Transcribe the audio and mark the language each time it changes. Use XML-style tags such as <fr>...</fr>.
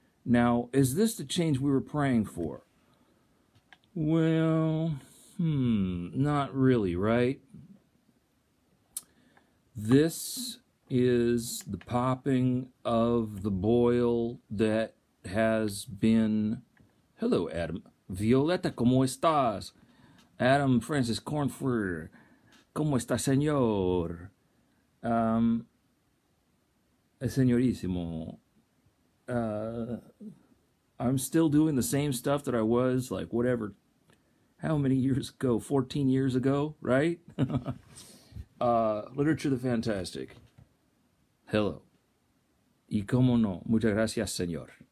<en>Now, is this the change we were praying for? Well, not really, right? This is the popping of the boil that has been...</en> <es>Hello, Adam. Violeta, ¿cómo estás? Adam Francis Cornford, ¿cómo está, señor? Señorísimo.</es> <en>I'm still doing the same stuff that I was, like, whatever. How many years ago? 14 years ago, right? Literature the Fantastic.</en> <es>Hello. Y cómo no. Muchas gracias, señor.</es>